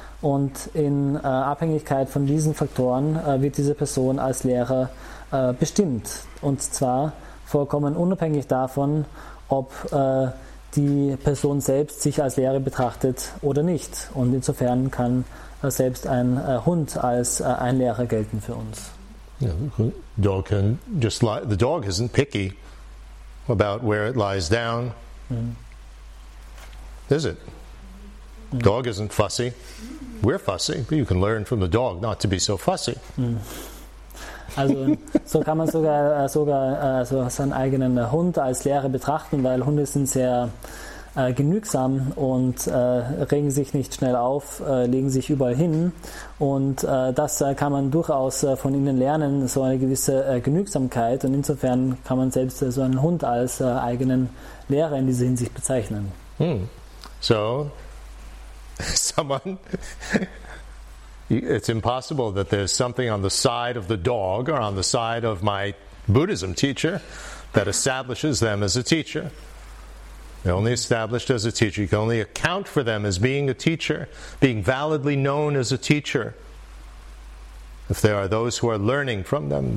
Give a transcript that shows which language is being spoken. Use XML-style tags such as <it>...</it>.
<de>Und in Abhängigkeit von diesen Faktoren wird diese Person als Lehrer bestimmt. Und zwar vollkommen unabhängig davon, ob die Person selbst sich als Lehrer betrachtet oder nicht. Und insofern kann selbst ein Hund als ein Lehrer gelten für uns.</de> <en>Yeah, dog can just lie. The dog isn't picky about where it lies down, is it? Dog isn't fussy. We're fussy, but you can learn from the dog not to be so fussy.</en> <de>Also so kann man sogar seinen eigenen Hund als Lehrer betrachten, weil Hunde sind sehr genügsam und regen sich nicht schnell auf, legen sich überall hin. Und das kann man durchaus von ihnen lernen, so eine gewisse Genügsamkeit. Und insofern kann man selbst so einen Hund als eigenen Lehrer in dieser Hinsicht bezeichnen.</de> <en>So, someone... It's impossible that there's something on the side of the dog or on the side of my Buddhism teacher that establishes them as a teacher. They're only established as a teacher. You can only account for them as being a teacher, being validly known as a teacher, if there are those who are learning from them.</en>